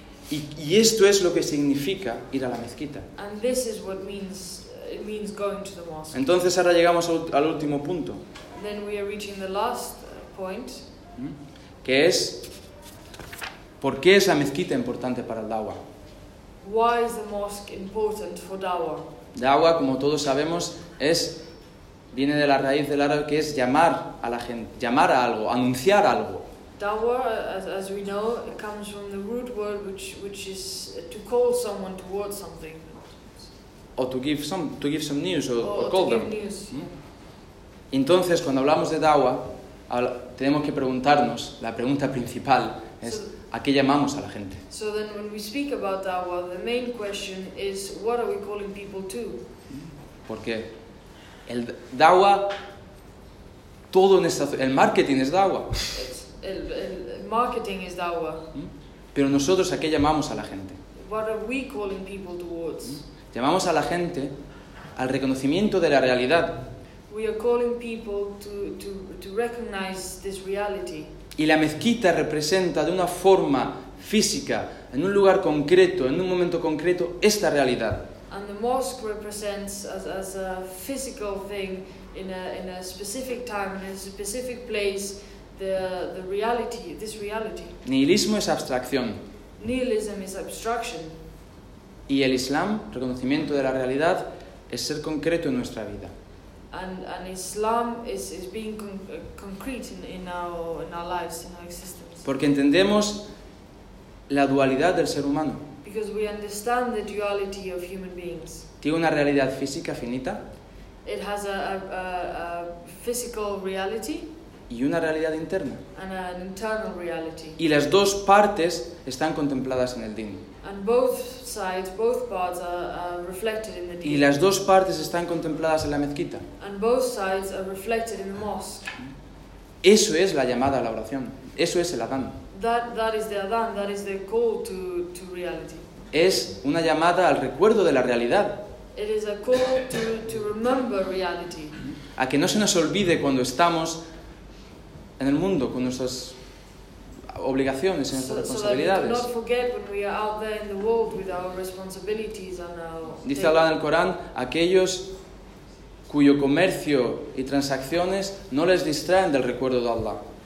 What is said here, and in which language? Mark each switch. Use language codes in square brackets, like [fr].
[es] Y esto es lo que significa ir a la mezquita. [en] And this is what it means going to the mosque. [es] Entonces ahora llegamos al último punto. [en] Then we are reaching the last point. [es] Que es, ¿por qué es la mezquita importante para el dawa? [en] Why is the mosque important for dawa? [es] Dawa, como todos sabemos, viene de la raíz del árabe, que es llamar a la gente, llamar a algo, anunciar algo. [en] Dawa, as we know, it comes from the root word which is to call someone towards something. Or to give some news or call to give News. [es] Entonces, cuando hablamos de dawa, tenemos que preguntarnos, la pregunta principal es, ¿a qué llamamos a la gente? [en] So then when we speak about dawa, the main question is, what are we calling people to? [es] ¿Por qué? El dawa, todo en esta, el marketing es dawa. El marketing es dawa. Pero nosotros, ¿a qué llamamos a la gente? [en] What are we calling people towards? [es] Llamamos a la gente al reconocimiento de la realidad. [en] We are calling people to recognize this reality. [es] Y la mezquita representa de una forma física, en un lugar concreto, en un momento concreto, esta realidad. [en] And the mosque represents as a physical thing in a specific time, in a specific place, the reality, this reality. [es] Nihilismo es abstracción. [en] Nihilism is abstraction. [es] Y el Islam, reconocimiento de la realidad, es ser concreto en nuestra vida. [en] And Islam is being concrete in our lives, in our existence. [es] Porque entendemos la dualidad del ser humano. [en] Because we understand the duality of human beings. [es] Tiene una realidad física finita. [en] It has a physical reality. [es] Y una realidad interna. [en] And an internal reality. [es] Y las dos partes están contempladas en el Din. [en] And both sides, both parts are reflected in the Din. [es] Y las dos partes están contempladas en la mezquita. [en] And both sides are reflected in the mosque. [es] Eso es la llamada a la oración. Eso es el Adán. [en] That is the Adán. That is the call to reality. [es] Es una llamada al recuerdo de la realidad. [en] It is a call to remember reality. [es] A que no se nos olvide cuando estamos en el mundo con nuestras obligaciones y nuestras responsabilidades. [en] So that we do not forget when we are out there in the world with our responsibilities and our. [es] Dice Allah en el Corán, aquellos cuyo comercio y transacciones no les distraen del recuerdo de Allah.